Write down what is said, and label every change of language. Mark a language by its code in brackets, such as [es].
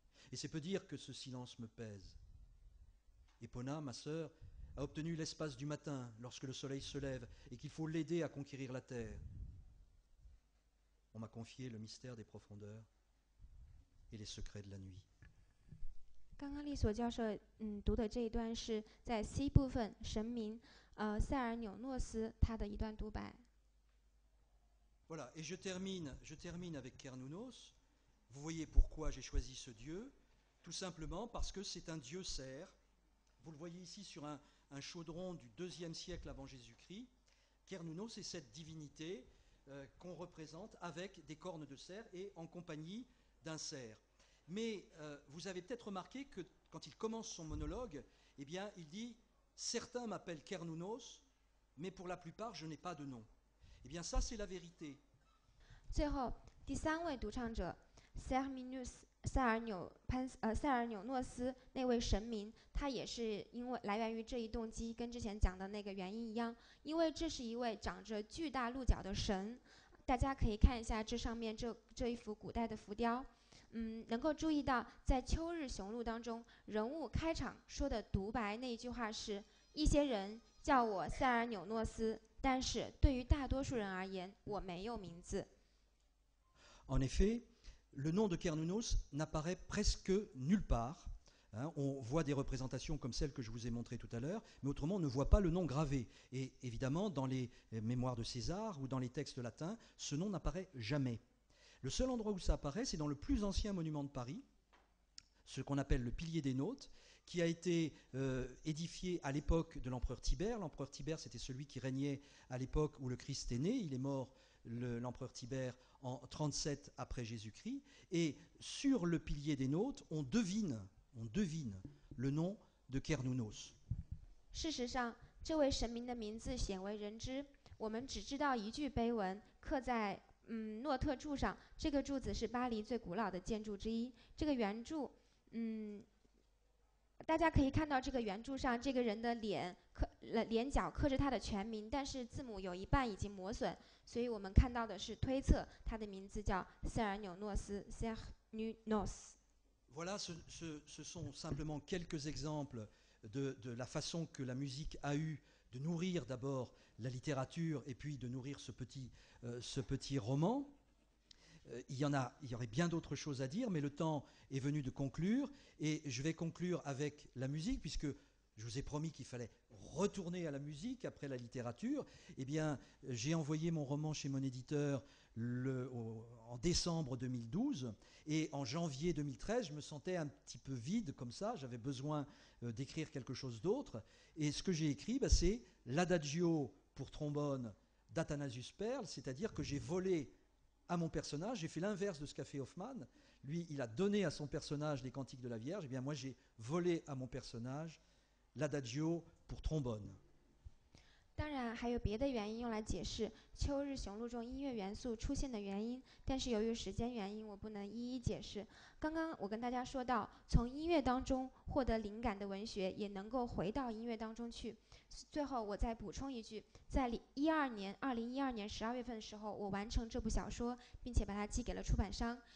[fr] Et c'est peu dire que ce silence me pèse. Epona, ma sœur, a obtenu l'espace du matin lorsque le soleil se lève et qu'il faut l'aider à conquérir la terre. On m'a confié le mystère des profondeurs et les secrets de la nuit. [zh] 刚刚利索教授读的这一段是在 C 部分神明塞尔纽诺斯他的一段独白。 [fr] Voilà, et je termine avec Kernounos. Vous voyez pourquoi j'ai choisi ce dieu? Tout simplement parce que c'est un dieu cerf. Vous le voyez ici sur un chaudron du deuxième siècle avant Jésus-Christ. Kernounos est cette divinité qu'on représente avec des cornes de cerf et en compagnie d'un cerf. Mais vous avez peut-être remarqué que quand il commence son monologue, eh bien, il dit « Certains m'appellent Kernounos, mais pour la plupart, je n'ai pas de nom ». Eh bien, ça, c'est la vérité. [zh] 最后，第三位独唱者塞尔纽诺斯那位神明，他也是因为来源于这一动机，跟之前讲的那个原因一样，因为这是一位长着巨大鹿角的神。大家可以看一下这上面这一幅古代的浮雕，能够注意到在《秋日雄鹿》当中，人物开场说的独白那一句话是：“一些人叫我塞尔纽诺斯。” 但是对于大多数人而言，我没有名字。 [fr] En effet, le nom de Kernounos n'apparaît presque nulle part. Hein, on voit des représentations comme celle que je vous ai montrée tout à l'heure, mais autrement, on ne voit pas le nom gravé. Et évidemment, dans les mémoires de César ou dans les textes latins, ce nom n'apparaît jamais. Le seul endroit où ça apparaît, c'est dans le plus ancien monument de Paris, ce qu'on appelle le pilier des Nôtes, qui a été édifié à l'époque de l'empereur Tibère. L'empereur Tibère, c'était celui qui régnait à l'époque où le Christ est né. Il est mort, l'empereur Tibère, en 37 après Jésus-Christ. Et sur le pilier des Nôtes, on devine le nom de Kernounos. [zh] 事实上，这位神明的名字鲜为人知。我们只知道一句碑文刻在诺特柱上。这个柱子是巴黎最古老的建筑之一。这个圆柱，大家可以看到这个圆柱上这个人的脸角刻着他的全名，但是字母有一半已经磨损，所以我们看到的是推测他的名字叫塞尔纽诺斯 Cernunnos。 [fr] Voilà, ce sont simplement quelques exemples de la façon que la musique a eu de nourrir d'abord la littérature et puis de nourrir ce petit roman. Il y aurait bien d'autres choses à dire, mais le temps est venu de conclure. Et je vais conclure avec la musique, puisque je vous ai promis qu'il fallait retourner à la musique après la littérature. Eh bien, j'ai envoyé mon roman chez mon éditeur en décembre 2012. Et en janvier 2013, je me sentais un petit peu vide comme ça. J'avais besoin d'écrire quelque chose d'autre. Et ce que j'ai écrit, c'est l'adagio pour trombone d'Athanasius Perle, c'est-à-dire que j'ai volé à mon personnage, j'ai fait l'inverse de ce qu'a fait Hoffmann. Lui, il a donné à son personnage les cantiques de la Vierge, et bien moi j'ai volé à mon personnage l'adagio pour trombone. [zh] 当然还有别的原因用来解释秋日雄鹿中音乐元素出现的原因，但是由于时间原因我不能一一解释。刚刚我跟大家说到，从音乐当中获得灵感的文学也能够回到音乐当中去。最后我再补充一句，在2012年12月份的时候，我完成这部小说并且把它寄给了出版商。